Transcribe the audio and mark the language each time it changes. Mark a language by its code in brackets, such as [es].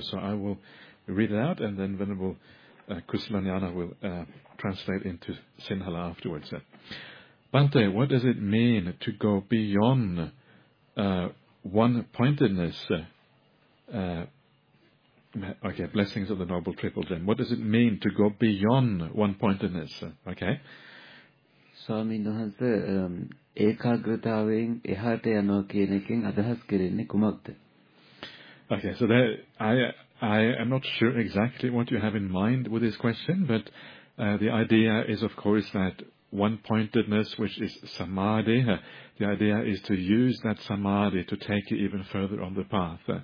[en] So I will read it out, and then Venerable Kusilanyana will translate into Sinhala afterwards. Bhante, what does it mean to go beyond one-pointedness? Okay, blessings of the Noble Triple Gem. What does it mean to go beyond one-pointedness? Okay. [si] ස්වාමීන් වහන්ස ඒකාග්‍රතාවයෙන් එහාට යනවා කියන එකෙන් අදහස් කරන්නේ කුමක්ද? [en] Okay, so that I am not sure exactly what you have in mind with this question, but the idea is, of course, that one-pointedness, which is samadhi, the idea is to use that samadhi to take you even further on the path.